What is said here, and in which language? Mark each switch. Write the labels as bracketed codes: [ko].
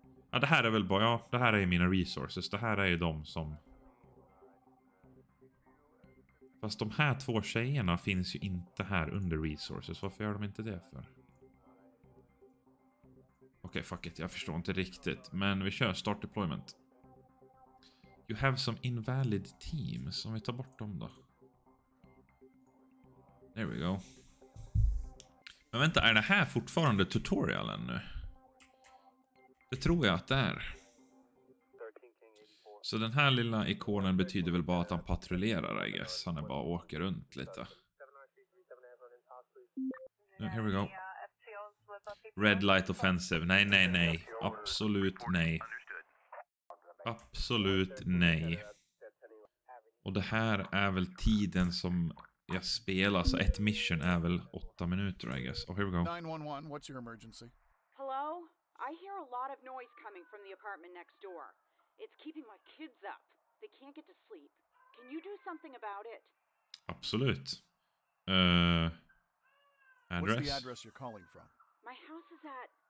[sv] Ja, det här är väl bara... Ja, det här är mina resources. Det här är ju de som... Fast de här två tjejerna finns ju inte här under resources. Varför gör de inte det för? Okej, fuck it. Jag förstår inte riktigt. Men vi kör [en] start deployment. You have some invalid teams. [sv] Om vi tar bort dem då. [en] There we go. [sv] Men vänta, är det här fortfarande tutorialen nu? Det tror jag att det är. Så den här lilla ikonen betyder väl bara att han patrullerar, [en] I guess. [sv] Han är bara och åker runt lite. [en] Nu, here we go. Red light offensive. [sv] Nej, nej, nej. Absolut nej. Absolut nej. Och det här är väl tiden som... Jag spelar, så ett mission är väl 8 minuter, I guess. [en] Oh, here we go. 911, what's your emergency? Hello? I hear a lot of noise coming from the apartment next door. It's keeping my kids up. They can't get to sleep. Can you do something about it? Absolut. Address? What's the address you're calling from? My house is at...